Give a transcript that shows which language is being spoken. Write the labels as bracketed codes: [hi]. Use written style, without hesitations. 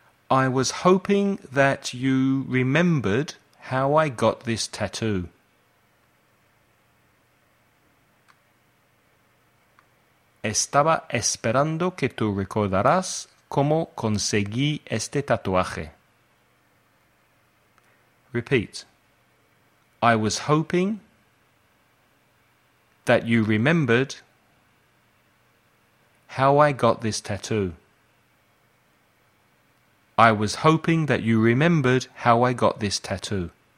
[en] I was hoping that you remembered how I got this tattoo. [es] Estaba esperando que tú recordaras cómo conseguí este tatuaje. [en] Repeat. I was hoping that you remembered how I got this tattoo. I was hoping that you remembered how I got this tattoo.